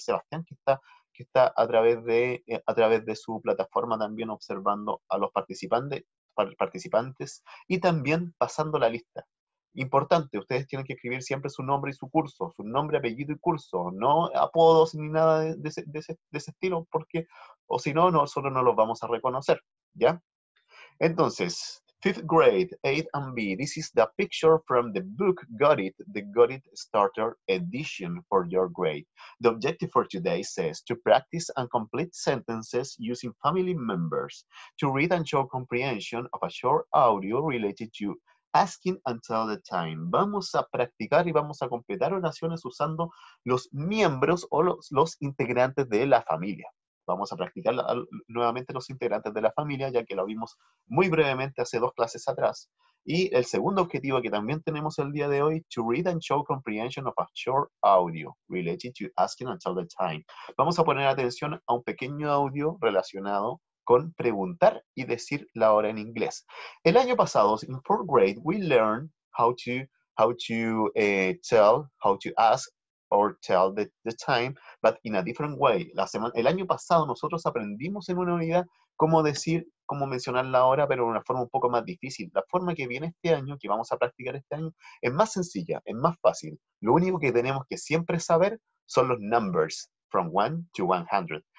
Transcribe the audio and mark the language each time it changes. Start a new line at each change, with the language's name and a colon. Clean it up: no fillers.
Spanish: Sebastián, que está a través de su plataforma también observando a los participantes y también pasando la lista. Importante, ustedes tienen que escribir siempre su nombre y su curso, su nombre, apellido y curso, no apodos ni nada de ese estilo, porque, o si no, nosotros no los vamos a reconocer, ¿ya?
English: Entonces, 5th grade, 8 and B, this is the picture from the book Got It, the Got It Starter Edition for your grade. The objective for today says to practice and complete sentences using family members, to read and show comprehension of a short audio related to asking and tell the time.
Spanish: Vamos a practicar y vamos a completar oraciones usando los miembros o los integrantes de la familia. Vamos a practicar nuevamente los integrantes de la familia, ya que lo vimos muy brevemente hace dos clases atrás. Y el segundo objetivo que también tenemos el día de hoy,
English: to read and show comprehension of a short audio related to asking and tell the time.
Spanish: Vamos a poner atención a un pequeño audio relacionado con preguntar y decir la hora en inglés. El año pasado,
English: in 4th grade, we learned how to ask or tell the time, but in a different way.
Spanish: El año pasado nosotros aprendimos en una unidad cómo decir, cómo mencionar la hora, pero de una forma un poco más difícil. La forma que viene este año, que vamos a practicar este año, es más sencilla, es más fácil. Lo único que tenemos que siempre saber son los numbers,
English: from 1 to 100.